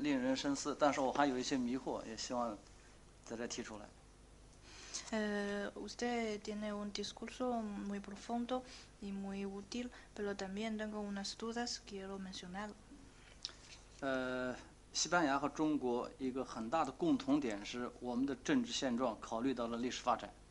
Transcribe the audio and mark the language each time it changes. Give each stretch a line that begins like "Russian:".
Chinese: 教授的这个发言和回应令人深思，但是我还有一些迷惑，也希望。
Spanish: Usted tiene un discurso muy profundo y muy útil, pero también tengo unas dudas que quiero mencionar.
Chinese: 西班牙和中国一个很大的共同点是我们的政治现状考虑到了历史发展。